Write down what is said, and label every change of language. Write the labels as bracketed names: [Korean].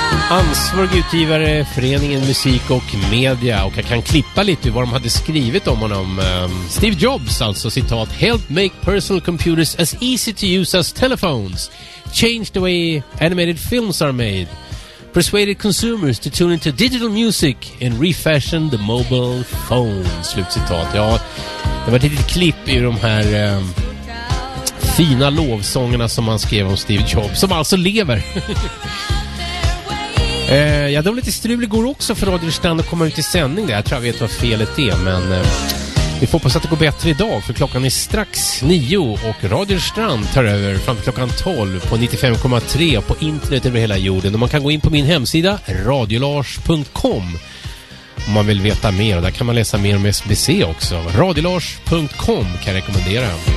[Swedish] Ansvarig utgivare, föreningen Musik och Media, och jag kan klippa lite vad de hade skrivit om honom. [English] Steve Jobs, [Swedish] alltså citat: [English] "Help make personal computers as easy to use as telephones. Change the way animated films are made. Persuaded consumers to tune into digital music and refashion the mobile phone." [Swedish] Slutcitat. Ja, det var ett litet klipp i de här fina lovsångerna som han skrev om Steve Jobs, som alltså lever. Ja, det var lite strul igår också för Radio Rörstrand att komma ut i sändning där. Jag tror jag vet vad felet är, men vi får hoppas att det går bättre idag, för klockan är strax 9 och Radio Rörstrand tar över fram till klockan 12 på 95,3 på internet över hela jorden. Och man kan gå in på min hemsida radiolars.com om man vill veta mer, och där kan man läsa mer om SBC också. Radiolars.com kan jag rekommendera.